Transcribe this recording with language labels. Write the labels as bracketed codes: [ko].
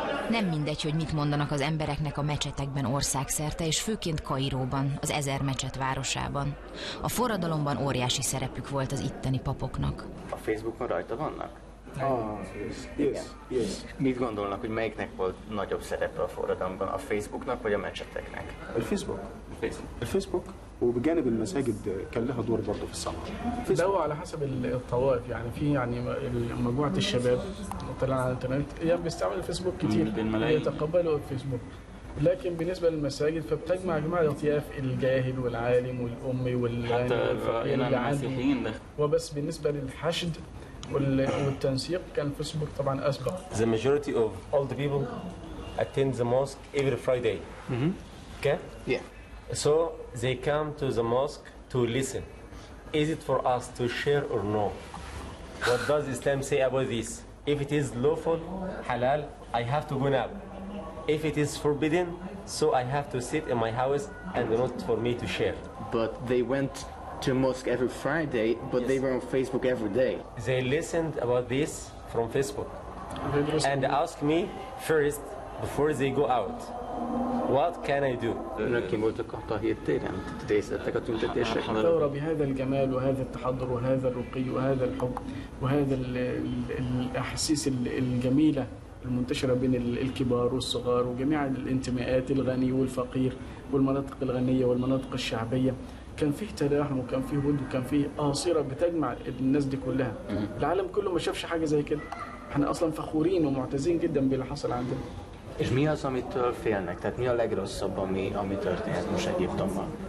[hu] Nem mindegy, hogy mit mondanak az embereknek a mecsetekben országszerte, és főként Kairóban, az ezer mecset városában. A forradalomban óriási szerepük volt az itteni papoknak. A Facebookon rajta vannak? [en] Yes. [hu] Mit gondolnak, hogy melyiknek volt nagyobb szerepe a forradalomban, a Facebooknak vagy a mecseteknek? A Facebook. [ar] وبجانب المساجد كان لها دور برضه في الصلاه ده على حسب الطوائف يعني في يعني مجموعه الشباب طلع على الانترنت هي بيستعمل الفيسبوك كتير يتقبلوا الفيسبوك لكن بالنسبه للمساجد فبتجمع جماعه الاطياف الجاهل والعالم والامي والعالم والمسيحيين وبس بالنسبه للحشد والتنسيق كان الفيسبوك طبعا اسبق [en] the majority of all the people attend the mosque every Friday okay yeah So they come to the mosque to listen. Is it for us to share or no? What does Islam say about this? If it is lawful, halal, I have to go now. if it is forbidden, so I have to sit in my house and not for me to share. But they went to mosque every Friday, but yes. They were on Facebook every day. They listened about this from Facebook and asked me first, before they go out, what can I do? [ar] الثورة بهذا الجمال وهذا التحضر وهذا الرقي وهذا الحب وهذا الأحاسيس الجميلة المنتشرة بين الكبار والصغار وجميع الانتماءات الغني والفقير والمناطق الغنية والمناطق الشعبية كان فيه تلاحم وكان فيه ود وكان فيه قاصرة بتجمع الناس دي كلها العالم كله ما شافش حاجة زي كده احنا أصلا فخورين ومعتزين جدا باللي حصل عندنا [hu] És mi az, amitől félnek? Tehát mi a legrosszabb, ami történhet most Egyiptomban?